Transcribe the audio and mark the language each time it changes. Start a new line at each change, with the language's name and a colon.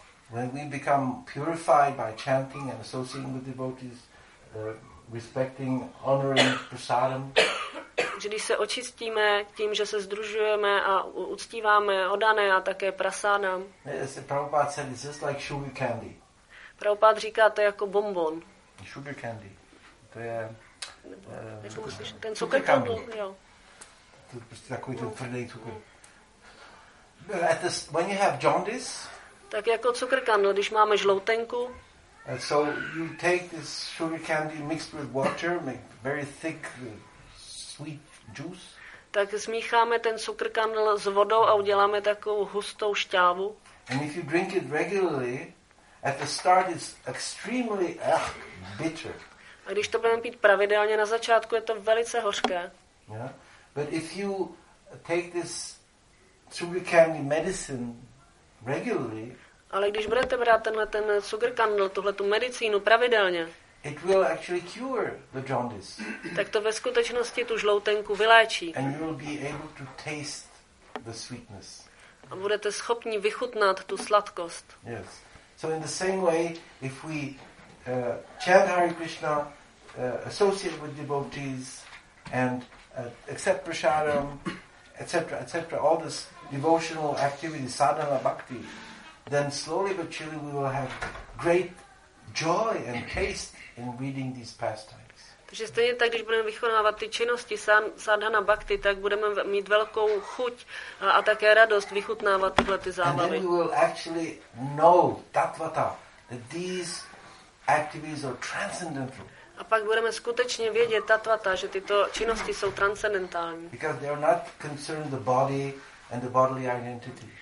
English: When we become purified by chanting and associating with devotees, respecting, honoring prasadam.
Czech: Když se očistíme tím, že se združujeme a uctíváme oddané a také prasadam.
English: Yes, Prabhupada said it's just like sugar candy.
Czech: Prabhupada říká, to je jako bonbon.
English: Sugar candy.
Czech: To je ten cukr candy. To je takový ten tvrdý cukr.
English: At this, when you have jaundice,
Czech: tak jako cukr kandl, když máme žloutenku.
English: So you take this sugar candy mixed with water, make very thick sweet juice.
Czech: Tak smícháme ten cukr kandl s vodou a uděláme takovou hustou šťávu.
English: And if you drink it regularly, at the start it's extremely bitter.
Czech: A když to budeme pít pravidelně, na začátku je to velice hořké.
English: Yeah. But if you take this sugar candy medicine regularly,
Czech: ale když budete brát tenhle ten cukr kandl, tuhle tu medicínu pravidelně,
English: it will actually cure the jaundice.
Czech: Tak to ve skutečnosti tu žloutenku vyléčí.
English: And you will be able to taste the sweetness.
Czech: A budete schopni vychutnat tu sladkost.
English: Yes. So in the same way, if we chant Hare Krishna associate with devotees and accept prasadam, etc., etc., all this devotional activity, sadhana bhakti, then slowly but surely we will have great joy and taste in reading these pastimes.
Czech: Takže stejně tak, když budeme vychovávat ty činnosti sadhana bhakti, tak budeme mít velkou chuť a také radost vychutnávat tyhle ty zábavy.
English: And then we will actually know tatvata, that these activities are transcendental.
Czech: A pak budeme skutečně vědět tatvata, že tyto činnosti jsou transcendentální.
English: Because they are not concerned the body and the bodily identity.